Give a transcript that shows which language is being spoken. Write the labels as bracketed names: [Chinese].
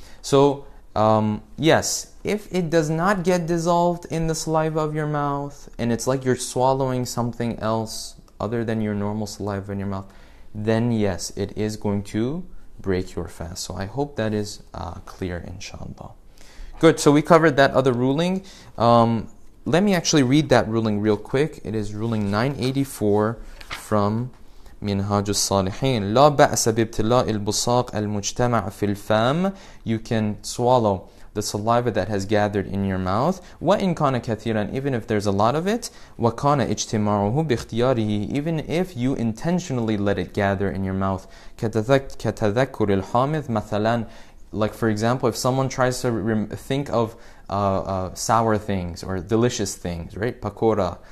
[English] So, yes, if it does not get dissolved in the saliva of your mouth and it's like you're swallowing something else other than your normal saliva in your mouth, then yes, it is going to break your fast. So I hope that is clear, inshallah. Good, so we covered that other ruling. Let me actually read that ruling real quick. It is ruling 984 from Minhaj al-Salihin. [Arabic] لا بأس بابتلاء البصاق المجتمع في الفم. [English] You can swallow the saliva that has gathered in your mouth. [Arabic] وإن كان كثيرا, [English] even if there's a lot of it. [Arabic] وكان اجتماعه باختياره, [English] even if you intentionally let it gather in your mouth. [Arabic] كتذكر الحامض مثلا. [English] Like for example, if someone tries to think of sour things or delicious things, right? Pakora.